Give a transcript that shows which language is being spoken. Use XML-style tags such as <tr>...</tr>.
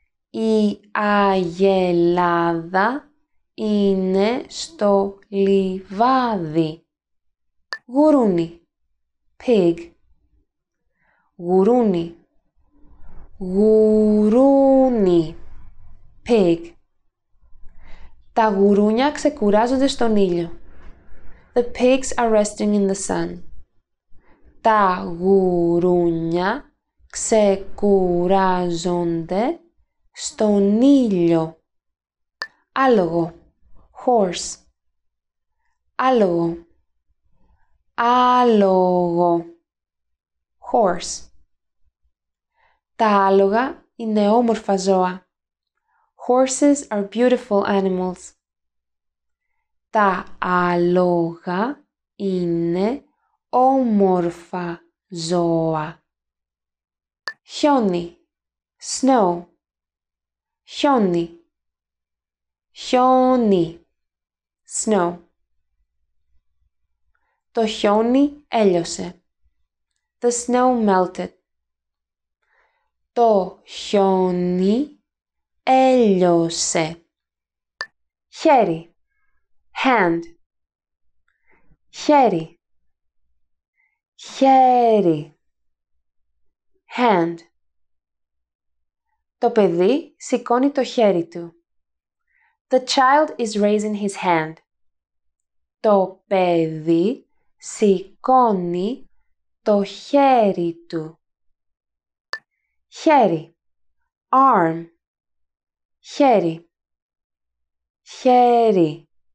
<el>Η αγελάδα είναι στο λιβάδι. Γουρούνι.</el> <en>Pig.</en> <el>Γουρούνι. Γουρούνι.</el> <en>Pig.</en> <el>Τα γουρούνια ξεκουράζονται στον ήλιο.</el> <en>The pigs are resting in the sun.</en> <el>Τα γουρούνια ξεκουράζονται στον ήλιο. Άλογο.</el> <en>Horse.</en> <el>Άλογο. Άλογο.</el> <en>Horse.</en> <el>Τα άλογα είναι όμορφα ζώα.</el> <en>Horses are beautiful animals.</en> <el>Τα άλογα είναι όμορφα ζώα. Χιόνι.</el> <en>Snow.</en> <el>Χιόνι. Χιόνι.</el> <en>Snow.</en> <el>Το χιόνι έλειωσε.</el> <en>The snow melted.</en> <el>Το χιόνι έλειωσε. Χέρι.</el> <en>Hand.</en> <el>Χέρι. Χέρι.</el> <en>Hand.</en> <el>Το παιδί σηκώνει το χέρι του.</el> <en>The child is raising his hand.</en> <el>Το παιδί σηκώνει το χέρι του. Χέρι.</el> <en>Arm.</en> <el>Χέρι. Χέρι.</el>